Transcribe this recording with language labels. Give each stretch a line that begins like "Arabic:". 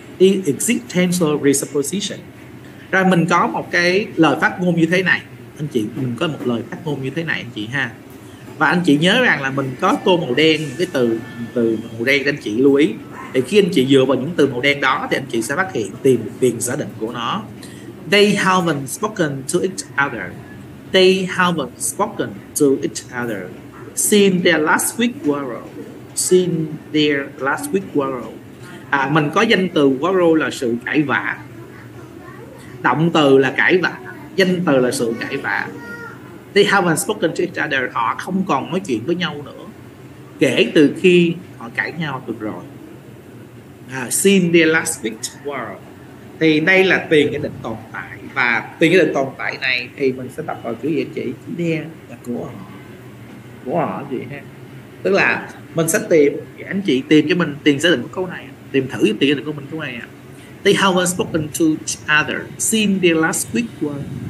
Vietnamese: Existential presupposition. Rồi mình có một cái lời phát ngôn như thế này. Anh chị, mình có một lời phát ngôn như thế này anh chị ha. Và anh chị nhớ rằng là mình có tô màu đen, cái từ màu đen anh chị lưu ý. Thì khi anh chị dựa vào những từ màu đen đó thì anh chị sẽ phát hiện tìm tiền giả định của nó.
English: They haven't spoken to each other. They haven't spoken to each other since their last week quarrel. Since their last week quarrel.
Vietnamese: Mình có danh từ quarrel là sự cãi vã. Động từ là cãi vã, danh từ là sự cãi vã. They haven't spoken to each other. Họ không còn nói chuyện với nhau nữa kể từ khi họ cãi nhau được rồi. Since their last week quarrel. Thì đây là tiền giả định tồn tại. Và tiền giả định tồn tại này thì mình sẽ đọc vào kiểu gì chị? Chữ đen là của họ gì ha. Tức là mình sẽ tìm, anh chị tìm cho mình tiền giả định của câu này, tìm thử tiền giả định của mình câu này.
English: They haven't spoken to each other since their last week quarrel.